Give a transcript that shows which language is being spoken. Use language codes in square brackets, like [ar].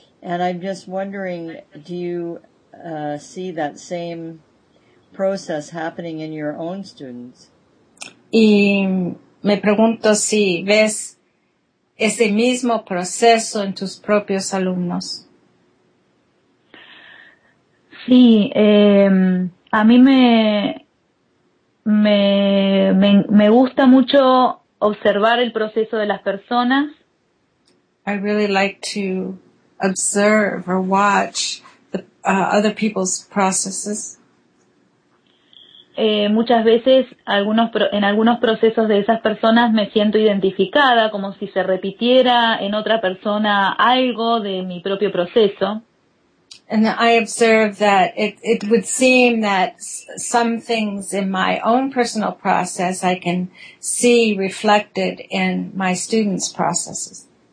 [en] I'm just wondering, do you see that same process happening in your own students? [es] Y me pregunto si ves ese mismo proceso en tus propios alumnos. Sí, a mí me gusta mucho observar el proceso de las personas. [en] I really like to observe or watch the other people's processes. [es] Muchas veces en algunos procesos de esas personas me siento identificada, como si se repitiera en otra persona algo de mi propio proceso. [en] And I observe that it would seem that some things in my own personal process I can see reflected in my students' processes.